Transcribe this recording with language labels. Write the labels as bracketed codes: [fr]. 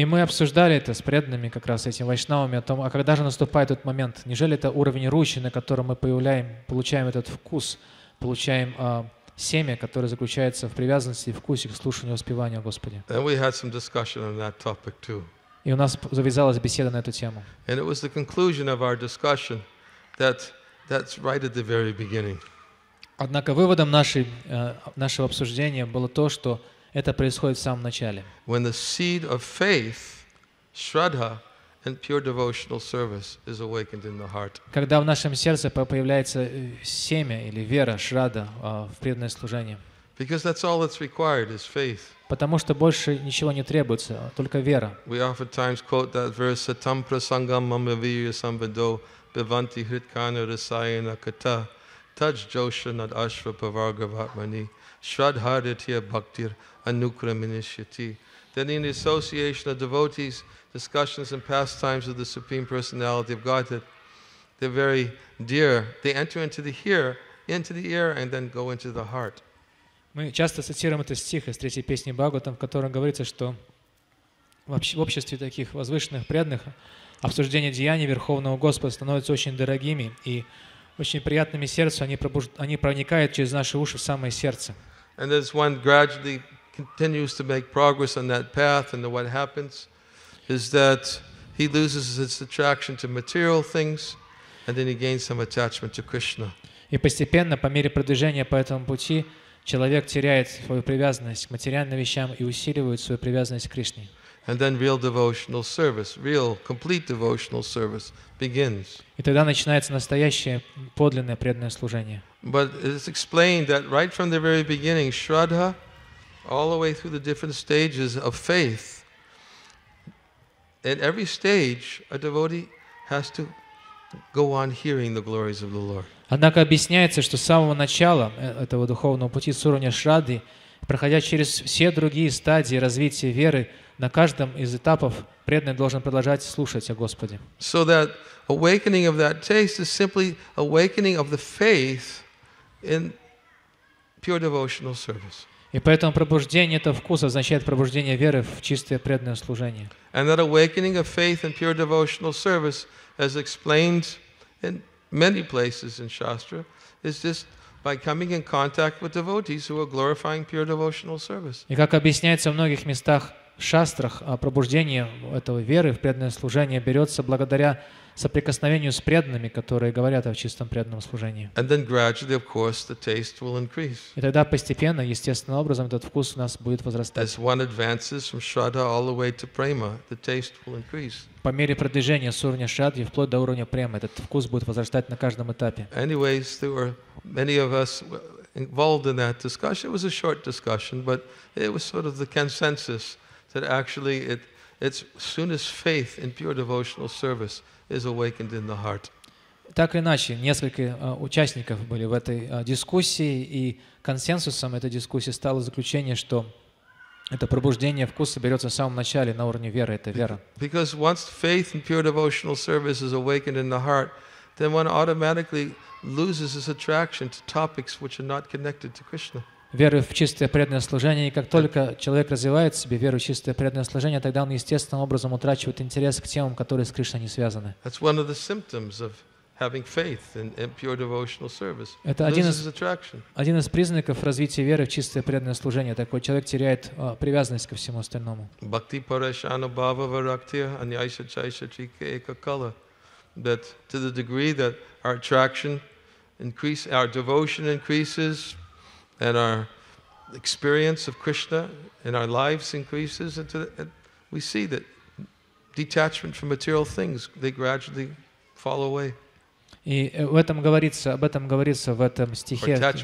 [ru] И мы обсуждали это с преданными как раз этими вайшнавами о том, а когда же наступает этот момент? Неужели это уровень ручи, на котором мы получаем этот вкус, получаем семя, которое заключается в привязанности, вкусе, к слушанию, воспеванию Господи. [en] And we had some discussion on that topic too. [ru] И у нас завязалась беседа на эту тему. [en] And it was the conclusion of our discussion that's right at the very beginning. [ru] Однако выводом нашего обсуждения было то, что это происходит в самом начале. [en] When the seed of faith, shraddha, and pure devotional service is awakened in the heart. [ru] Когда в нашем сердце появляется семя или вера, шрадда в преданное служение. [en] Because that's all that's required is faith. [ru] Потому что больше ничего не требуется, только вера. [en] We oftentimes quote that verse: [sa] "Satam prasangam mamaviya sambado bivanti hritkana rasayana kata taj joshanad ashva pavargavatmani shradharitya bhaktir anukraminishyati." [en] Then in the association of devotees, discussions and pastimes of the Supreme Personality of Godhead, they're very dear. They enter into the ear, into the ear, and then go into the heart. [ru] Мы часто цитируем этот стих из третьей песни Бхагаватам, в котором говорится, что в обществе таких возвышенных преданных обсуждение деяний Верховного Господа становится очень дорогими и очень приятными сердцу, они проникают через наши уши в самое сердце. [en] And as one gradually continues to make progress on that path, and what happens is that he loses his attraction to material things, and then he gains some attachment to Krishna. [ru] И постепенно, по мере продвижения по этому пути, человек теряет свою привязанность к материальным вещам и усиливает свою привязанность к Кришне. [en] And then real devotional service, real complete devotional service begins. [ru] И тогда начинается настоящее подлинное преданное служение. [en] But it's explained that right from the very beginning, Shraddha, all the way through the different stages of faith, at every stage, a devotee has to go on hearing the glories of the Lord. [ru] Однако объясняется, что с самого начала этого духовного пути с уровня шрадды, проходя через все другие стадии развития веры, на каждом из этапов преданный должен продолжать слушать о Господе. [en] So that awakening of that taste is simply awakening of the faith in pure devotional service. [ru] И поэтому пробуждение этого вкуса означает пробуждение веры в чистое преданное служение. [en] And that awakening of faith in pure devotional service as explained in many places in Shastra is just by coming in contact with devotees who are glorifying pure devotional service. [ru] И как объясняется в многих местах в шастрах, пробуждение этого веры в преданное служение берется благодаря соприкосновению с преданными, которые говорят о чистом преданном служении. [en] And then gradually, of course, the taste will increase. [ru] И тогда постепенно, естественным образом, этот вкус у нас будет возрастать. [en] As one advances from shraddha all the way to prema, the taste will increase. [ru] По мере продвижения с уровня шрадды вплоть до уровня премы, этот вкус будет возрастать на каждом этапе. [en] Anyways, there were many of us involved in that discussion. It was a short discussion, but it was sort of the consensus that actually it's soon as faith in pure devotional service is awakened in the heart. [ru] Так или иначе, несколько участников были в этой дискуссии, и консенсусом этой дискуссии стало заключение, что это пробуждение вкуса берется в самом начале на уровне веры, это вера. [en] Because once faith in pure devotional service is awakened in the heart, then one automatically loses his attraction to topics which are not connected to Krishna. [ru] Веру в чистое преданное служение, и как только человек развивает в себе веру в чистое преданное служение, тогда он естественным образом утрачивает интерес к темам, которые с Кришной не связаны. [en] That's one of the symptoms of having faith in pure devotional service. [ru] Это один из признаков развития веры в чистое преданное служение. Такой человек теряет привязанность ко всему остальному. [sa] Bhakti parashana bhava varaktiya anyaisha chaisha chike ekakala. [en] That to the degree that our attraction increases, our devotion increases, and our experience of Krishna in our lives increases, and we see that detachment from material things, they gradually fall away. [ru] И в этом говорится, об этом говорится в этом стихе.